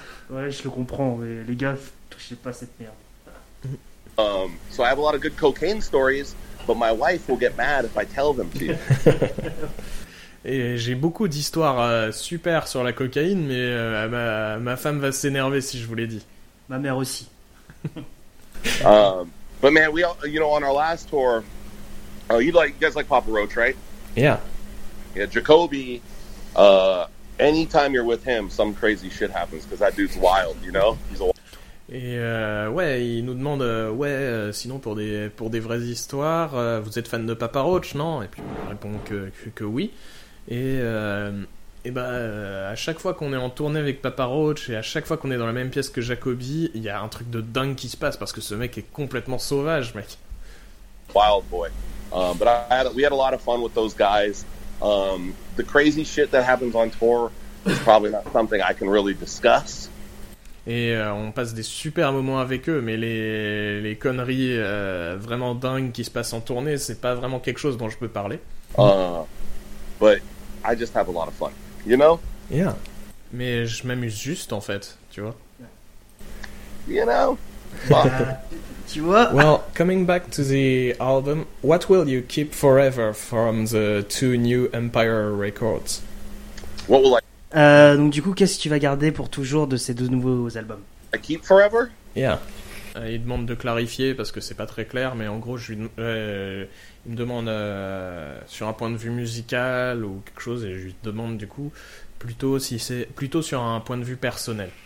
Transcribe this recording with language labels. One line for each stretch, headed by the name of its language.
French: Ouais, je le comprends, mais les gars, touchez pas cette merde.
English: So I have a lot of good cocaine stories, but my wife will get mad if I tell them to you.
French: Et j'ai beaucoup d'histoires super sur la cocaïne, mais ma femme va s'énerver si je vous l'ai dit. Ma mère aussi.
English: But man, we all, you know, on our last tour, you guys like Papa Roach, right? Yeah. Yeah, Jacoby, anytime you're with him, some crazy shit happens, because that dude's wild, you know? He's a wild.
French: Et il nous demande, sinon pour des vraies histoires, vous êtes fan de Papa Roach, non? Et puis on répond que oui. À chaque fois qu'on est en tournée avec Papa Roach et à chaque fois qu'on est dans la même pièce que Jacoby, il y a un truc de dingue qui se passe parce que ce mec est complètement sauvage, mec.
English: Wild boy. But we had a lot of fun with those guys. The crazy shit that happens on tour is probably not something I can really discuss.
French: Et on passe des super moments avec eux, mais les conneries vraiment dingues qui se passent en tournée, c'est pas vraiment quelque chose dont je peux parler.
English: But I just have a lot of fun. You know? Yeah.
French: Mais je m'amuse juste, en fait, tu vois?
English: You know?
French: Tu vois?
English: Well, coming back to the album, what will you keep forever from the two new Empire Records? What will I...
French: Donc du coup, qu'est-ce que tu vas garder pour toujours de ces deux nouveaux albums?
English: I keep forever? Yeah.
French: Il demande de clarifier, parce que c'est pas très clair, mais en gros, il me demande sur un point de vue musical ou quelque chose, et je lui demande du coup plutôt si c'est plutôt sur un point de vue personnel.